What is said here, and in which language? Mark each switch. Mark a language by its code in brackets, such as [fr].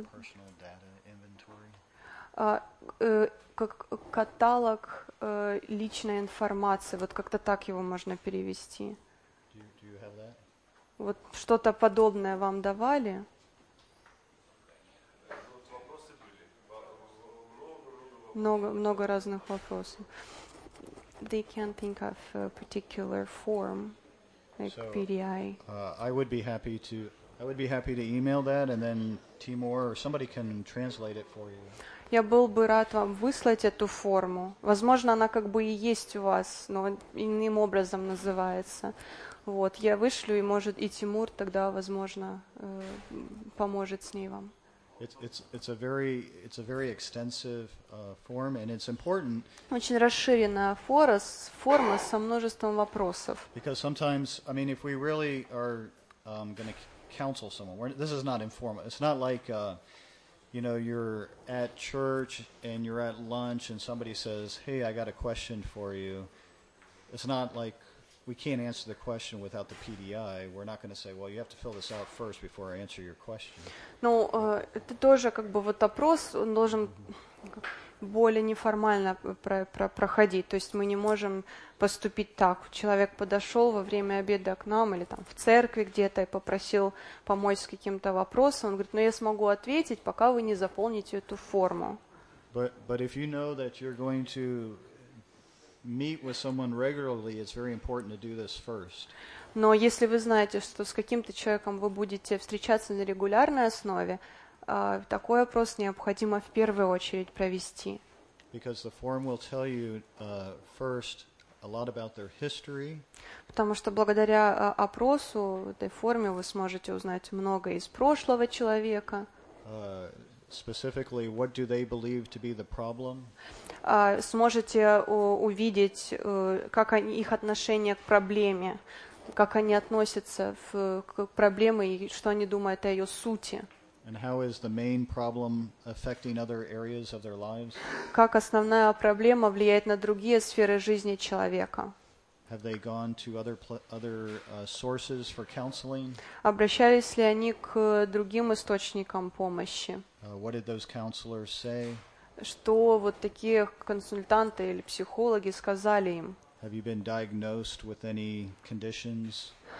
[en] It's a Personal Data Inventory. [ru] Как каталог личной информации, вот как-то так его можно перевести. [en] Do you have that? [ru] Вот что-то подобное вам давали? Много разных вопросов. [en] They can't think of a particular form like so, PDI. I would be happy to email that, and then Timur or somebody can translate it for you. [ru] Я был бы рад вам выслать эту форму. Возможно, она как бы и есть у вас, но иным образом называется. Вот, я вышлю, и может и Тимур тогда, возможно, поможет с ней вам. [en] It's a very extensive form, and it's important. [ru] Очень расширенная форма со множеством вопросов. [en] Because sometimes, I mean, if we really are going to counsel someone, this is not informal. It's not like, you know, you're at church and you're at lunch, and somebody says, "Hey, I got a question for you." It's not like we can't answer the question without the PDI. We're not going to say, "Well, you have to fill this out first before I answer your question." [ru] Ну, это тоже как бы вот опрос, он должен более неформально проходить. То есть мы не можем поступить так. Человек подошел во время обеда к нам или там в церкви где-то и попросил помочь с каким-то вопросом. Он говорит, "Ну, я смогу ответить, пока вы не заполните эту форму." [en] But if you know that you're going to meet with someone regularly, it's very important to do this first. [ru] Но если вы знаете, что с каким-то человеком вы будете встречаться на регулярной основе, такой опрос необходимо в первую очередь провести. [en] Because the form will tell you first a lot about their history. [ru] Потому что благодаря опросу в этой форме вы сможете узнать много из прошлого человека. [en] Specifically, what do they believe to be the problem? [ru] Сможете увидеть, как они, их отношение к проблеме, как они относятся в, к проблеме и что они думают о ее сути. [en] And how is the main problem affecting other areas of their lives? [ru] Как основная проблема влияет на другие сферы жизни человека? [en] Have they gone to other sources for counseling? [ru] Обращались ли они к другим источникам помощи? [en] What did those counselors say? [ru] Что вот такие консультанты или психологи сказали им? [en] Have you been diagnosed with any conditions?